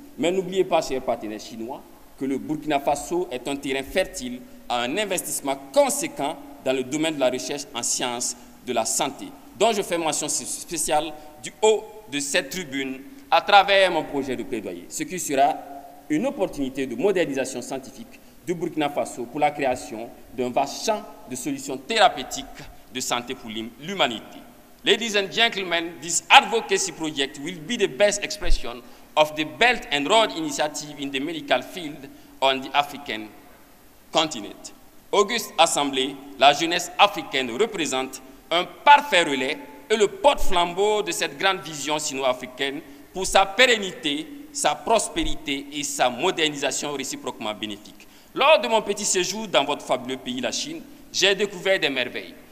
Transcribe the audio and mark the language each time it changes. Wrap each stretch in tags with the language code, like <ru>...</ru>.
<fr>Mais n'oubliez pas, chers partenaires chinois, que le Burkina Faso est un terrain fertile à un investissement conséquent dans le domaine de la recherche en sciences de la santé, dont je fais mention spéciale du haut de cette tribune à travers mon projet de plaidoyer, ce qui sera une opportunité de modernisation scientifique du Burkina Faso pour la création d'un vaste champ de solutions thérapeutiques de santé pour l'humanité.</fr> <en>Ladies and gentlemen, this advocacy project will be the best expression of the Belt and Road Initiative in the medical field on the African continent.</en> <fr>Auguste Assemblée, la jeunesse africaine représente un parfait relais et le porte-flambeau de cette grande vision sino-africaine pour sa pérennité, sa prospérité et sa modernisation réciproquement bénéfique. Lors de mon petit séjour dans votre fabuleux pays, la Chine, j'ai découvert des merveilles.</fr>